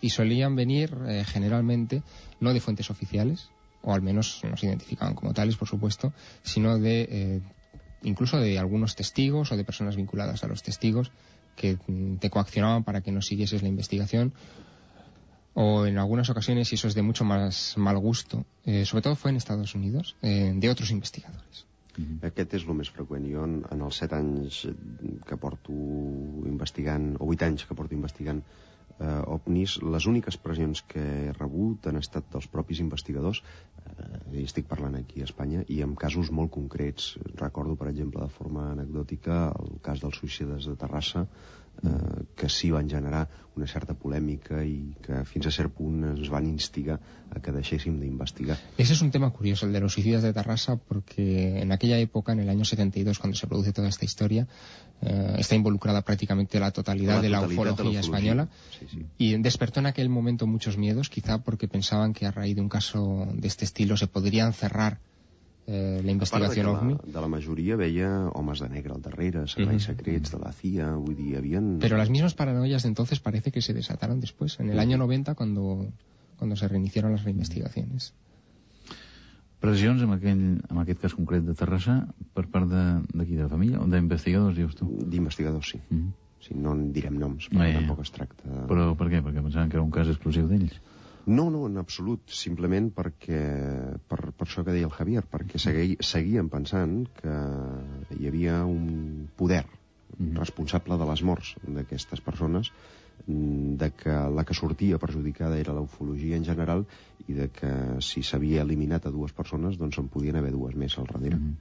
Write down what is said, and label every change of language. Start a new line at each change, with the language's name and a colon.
Spanish: Y solían venir generalmente no de fuentes oficiales, o al menos no se identificaban como tales, por supuesto, sino de incluso de algunos testigos o de personas vinculadas a los testigos que te coaccionaban para que no siguieses la investigación. o en algunas ocasiones, y eso es de mucho más mal gusto, sobre todo fue en Estados Unidos, de otros investigadores. Mm-hmm.
Catalan: Aquest és el més freqüent. Jo, en els 7 anys que porto investigant, o 8 anys que porto investigant ovnis, les úniques pressions que he rebut han estat dels propis investigadors, i estic parlant aquí a Espanya, i en casos molt concrets. Recordo, per exemple, de forma anecdòtica, el cas dels suïcides de Terrassa, que sí van generar una certa polèmica i que fins a cert punt ens van instigar a que deixéssim d'investigar.
Spanish: Ese es un tema curioso, el de los suicidas de Terrassa, porque en aquella época, en el año 72, cuando se produce toda esta historia, está involucrada prácticamente la totalidad de la ufología española. Sí, sí. Y despertó en aquel momento muchos miedos, quizá porque pensaban que a raíz de un caso de este estilo se podrían cerrar la investigació OVNI.
Catalan: De la majoria veia homes de negre al darrere, serveis secrets de la CIA, vull dir, havien... Però les
Spanish: mismas paranoias de entonces parece que se desataron después, en el año 90, cuando se reiniciaron las reinvestigaciones.
Catalan: Pressions en aquest cas concret de Terrassa per part d'aquí de la família, o d'investigadors, dius tu? D'investigadors, sí. Mm-hmm. Sí, no en direm noms, però tampoc es tracta... Però per què? Perquè pensaven que era un cas exclusiu d'ells. No, en absolut. Simplement perquè, per això que deia el Javier, perquè seguien pensant que hi havia un poder responsable de les morts d'aquestes persones, de que la que sortia perjudicada era l'ufologia en general, i de que si s'havia eliminat a dues persones, doncs en podien haver dues més al darrere.